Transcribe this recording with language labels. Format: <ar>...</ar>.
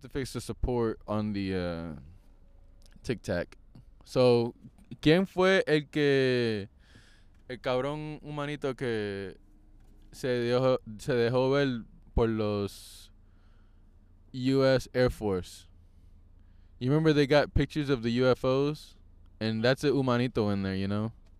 <en>We have to fix the support on the Tic Tac.</en> <es>So, ¿quién fue el que... El cabrón humanito que se dejó ver por los U.S.</es> <en>Air Force. You remember they got pictures of the UFOs? And that's a humanito in there, you know?</en>